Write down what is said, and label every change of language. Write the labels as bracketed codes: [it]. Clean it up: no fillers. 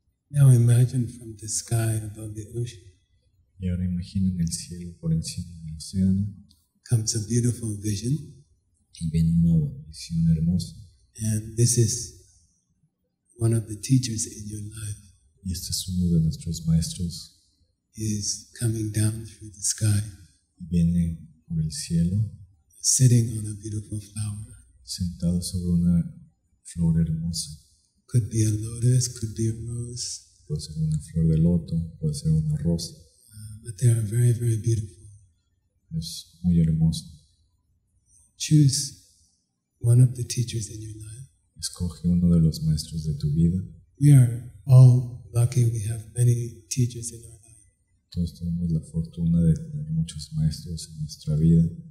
[en] Now imagine from the sky above the ocean. [es] Y ahora imaginen el cielo por encima del océano. [en] Comes a beautiful vision. [es] Y viene una visión hermosa. [en] And this is one of the teachers in your life. [es] Y este es uno de nuestros maestros. [en] He is coming down through the sky. [es] Viene por el cielo. [en] Sitting on a beautiful flower. [es] Sentado sobre una flor hermosa. [en] Could be a lotus, could be a rose. [es] Puede ser una flor de loto, puede ser una rosa. [en] But they are very, very beautiful. [es] Es muy hermoso. [en] Choose one of the teachers in your life. [es] Escoge uno de los maestros de tu vida. [en] We are all lucky we have many teachers in our life. [es] Todos tenemos la fortuna de tener muchos maestros en nuestra vida.